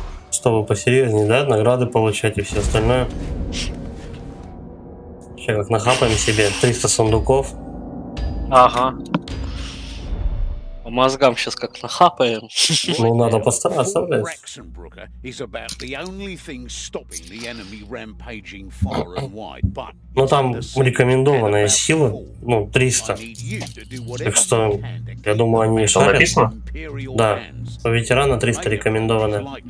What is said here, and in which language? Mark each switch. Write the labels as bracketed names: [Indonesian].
[Russian] Чтобы посерьезнее, да, награды получать и все остальное. Сейчас как нахапаем себе 300 сундуков. Ага. По мозгам сейчас как нахапаем. Ну, надо постараться, блядь. [English] Рексенбрукер is about the only thing stopping the enemy rampaging far and wide. [Russian] Ну, там рекомендованная сила, ну, 300. Так что, я думаю, они шарят. Да, у ветерана 300 рекомендованная.